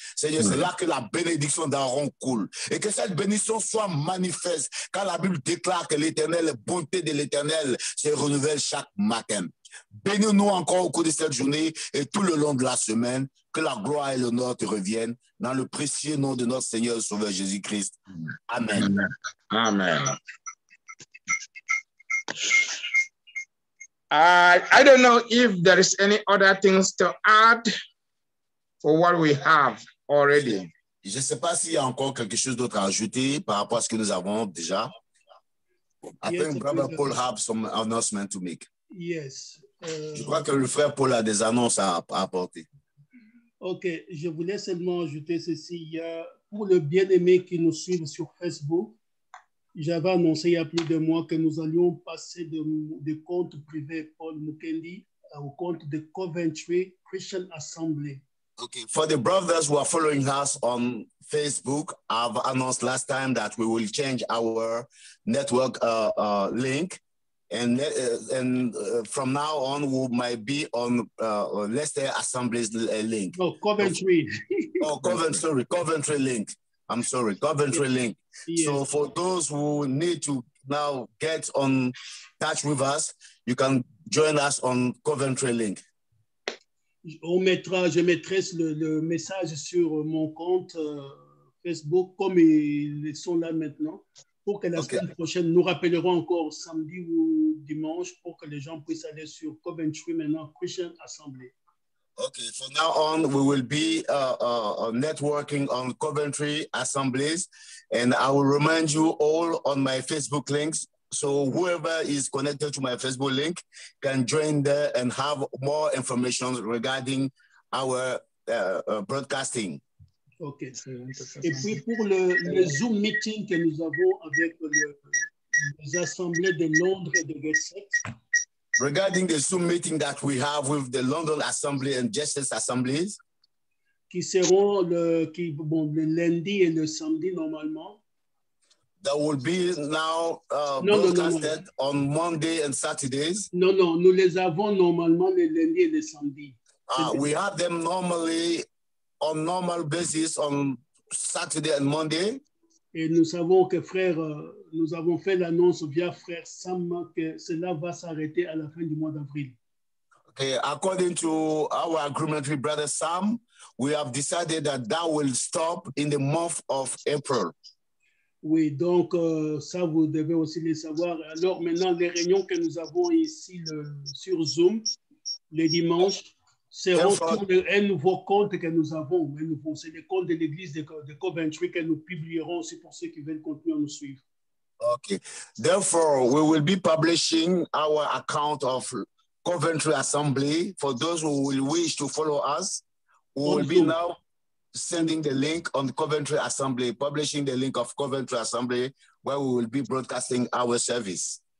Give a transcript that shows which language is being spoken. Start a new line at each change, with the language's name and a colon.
French: Seigneur, c'est là que la bénédiction d'Aaron coule. Et que cette bénédiction soit manifeste, car la Bible déclare que l'Éternel, la bonté de l'Éternel se renouvelle chaque matin. Bénis-nous encore au cours de cette journée et tout le long de la semaine. Que la gloire et l'honneur te reviennent dans le précieux nom de notre Seigneur Sauveur Jésus-Christ. Amen. Amen.
English: I don't know if there is any other things to add for what we have already.
French: Je ne sais pas s'il y a encore quelque chose d'autre à ajouter par rapport à ce que nous avons déjà.
English: I think Brother Paul has some announcement to make. Yes.
French: Je crois que le frère Paul a des annonces à apporter. Ok, je voulais seulement ajouter ceci. Il y a, pour le bien-aimé qui nous suit sur Facebook, j'avais annoncé il y a plus de mois que nous allions passer de compte privé Paul Mukendi au compte de Coventry Christian Assembly.
English: Okay, for the brothers who are following us on Facebook, I've announced last time that we will change our network link. And from now on, we might be on Leicester Assembly's link. Oh, Coventry. Coventry link. I'm sorry, Coventry link. Yeah. So for those who need to now get on touch with us, you can join us on Coventry link.
French: Je mettrai le message sur mon compte Facebook comme ils sont là maintenant pour que la semaine prochaine nous rappellerons encore samedi ou dimanche pour que les gens puissent aller sur Coventry maintenant Christian Assembly.
English: Okay, from now on we will be networking on Coventry Assemblies and I will remind you all on my Facebook links. So whoever is connected to my Facebook link can join there and have more information regarding our broadcasting. Okay.
French: Et puis pour le Zoom meeting que nous avons avec les assemblées de Londres et de Gessex.
English: Regarding the Zoom meeting that we have with the London Assembly and Gessex Assemblies.
French: Qui seront le lundi et le samedi normalement.
English: That will be now broadcasted on Monday and Saturdays. No, no,
French: nous les avons normalement les lundis et les samedis.
English: We have them normally on normal basis on Saturday and Monday.
French: Et nous savons que frère, nous avons fait l'annonce via frère Sam que cela va s'arrêter à la fin du mois d'avril.
English: Okay, according to our agreement with Brother Sam, we have decided that will stop in the month of April.
French: Oui, donc ça, vous devez aussi le savoir. Alors maintenant, les réunions que nous avons ici sur Zoom, les dimanches, seront un nouveau compte que nous avons. C'est le compte de l'église de Coventry que nous publierons aussi pour ceux qui veulent continuer à nous suivre.
English: OK. Therefore, we will be publishing our account of Coventry Assembly. For those who will wish to follow us, we will be now sending the link on Coventry Assembly, publishing the link of Coventry Assembly, where we will be broadcasting our service.